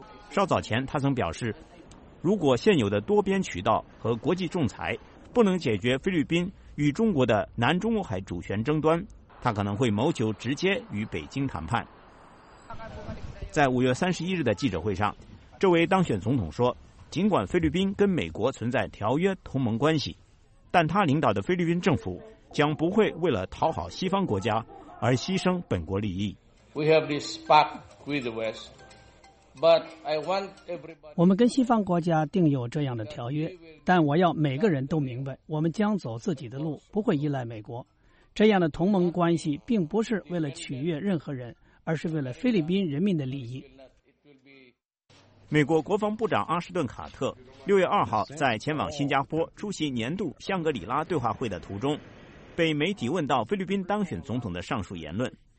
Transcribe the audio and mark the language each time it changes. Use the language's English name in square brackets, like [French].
[Chinese] 稍早前他曾表示，如果现有的多边渠道和国际仲裁不能解决菲律宾与中国的南中国海主权争端，他可能会谋求直接与北京谈判。在5月31日的记者会上，这位当选总统说，尽管菲律宾跟美国存在条约同盟关系，但他领导的菲律宾政府将不会为了讨好西方国家而牺牲本国利益。 [English] We have this spark with the West, but I want everybody... [Chinese] 我们跟西方国家定有这样的条约，但我要每个人都明白，我们将走自己的路，不会依赖美国。这样的同盟关系并不是为了取悦任何人，而是为了菲律宾人民的利益。美国国防部长阿什顿·卡特6月2号在前往新加坡出席年度香格里拉对话会的途中，被媒体问到菲律宾当选总统的上述言论。